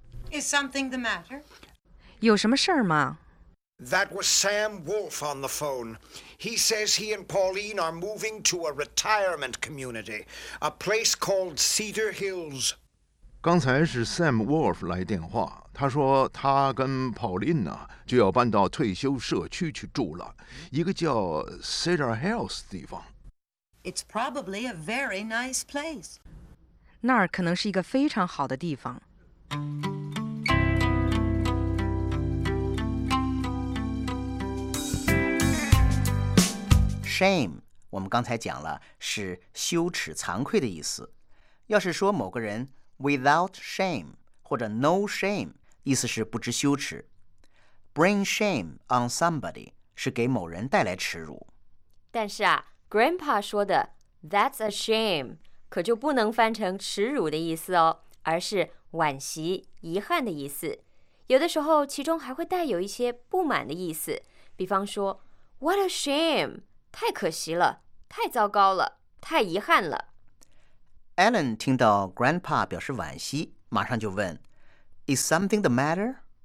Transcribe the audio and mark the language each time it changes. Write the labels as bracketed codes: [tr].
[en] Is something the matter? [zh] 有什么事儿吗 [en] ？That was Sam Wolf on the phone. He says he and Pauline are moving to a retirement community, a place called Cedar Hills. [zh] 刚才是 Sam Wolf 来电话，他说他跟 Pauline 呢就要搬到退休社区去住了，一个叫 Cedar Hills 地方。 [en] It's probably a very nice place. [zh] 那儿可能是一个非常好的地方。 Shame， 我们刚才讲了是羞耻、惭愧的意思。要是说某个人。 [en] Without shame [zh] 或者 [en] no shame [zh] 意思是不知羞耻 [en] Bring shame on somebody [zh] 是给某人带来耻辱但是啊 Grandpa 说的 [en] That's a shame [zh] 可就不能翻成耻辱的意思哦而是惋惜遗憾的意思有的时候其中还会带有一些不满的意思比方说 [en] What a shame [zh] 太可惜了太糟糕了太遗憾了 Alan 听到 Grandpa 表示惋惜，马上就问 ： [en] “Is something the matter？